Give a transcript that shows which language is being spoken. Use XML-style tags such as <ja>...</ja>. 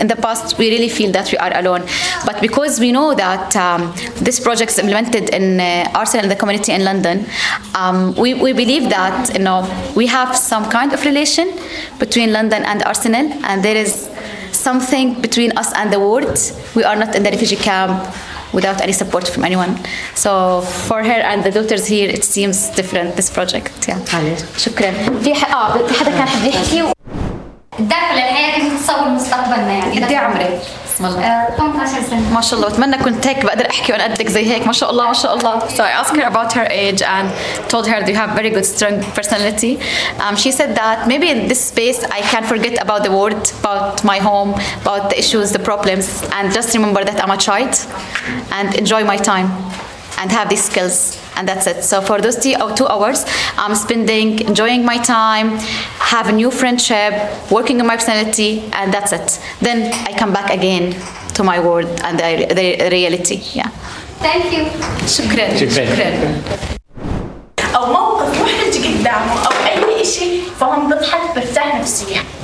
<en>In the past, we really feel that we are alone. But because we know that this project is implemented in Arsenal and the community in London, we believe that, you know, we have some kind of relation between London and Arsenal, and there is something between us and the world. We are not in the refugee camp without any support from anyone. So for her and the daughters here, it seems different, this project. Yeah.</en> <ar>شكراً. الدفع للحياة تصور مستقبلنا يعني قد ايه عمرك؟ بسم الله 18 سنة ما شاء الله بتمنى كنت هيك بقدر احكي وانا قدك زي هيك ما شاء الله ما شاء الله</ar> <en>So I asked her about her age and told her that you have very good strong personality. She said that maybe in this space I can forget about the world, about my home, about the issues, the problems, and just remember that I'm a child and enjoy my time and have these skills. And that's it. So for those 2 hours, I'm spending enjoying my time, have a new friendship, working on my personality, and that's it. Then I come back again to my world and the reality. Yeah. Thank you.</en> <ar>شكراً. أو موقف محرج قدامه أو أي إشي فهم بضحك برتاح نفسيا.</ar>